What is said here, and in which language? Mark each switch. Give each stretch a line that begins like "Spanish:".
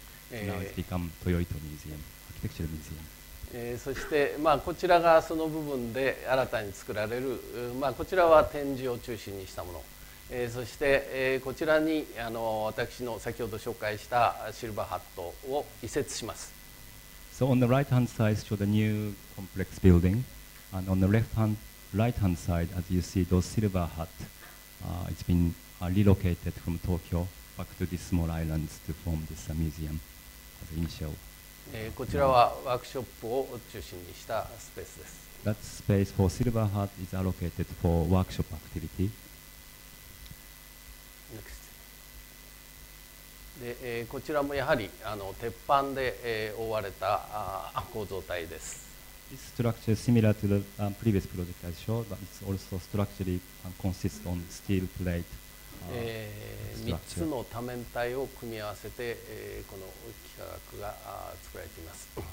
English: So now it's become Toyo Ito Museum, Architecture Museum.
Japanese: そして、まあ、こちらがその部分で新たに作られる、まあ、こちらは展示を中心にしたもの、そして、こちらに私の先ほど紹介したシルバーハットを移設します。
English: So on the right hand side, show the new complex building, and on the left hand, right hand side, as you see, those silver hat, it's been relocated from Tokyo. Back to these small islands to form this museum as initial.
Japanese: こちらはワークショップを中心にしたスペースです。
English: That space for Silver Heart is allocated for workshop activity. Next.
Japanese: で、こちらもやはり鉄板で、覆われた構造体です。
English: This structure is similar to the previous project I showed, but it's also structurally consists on steel plate.
Japanese: 3つの多面体を組み合わせて、この幾何学が作られています。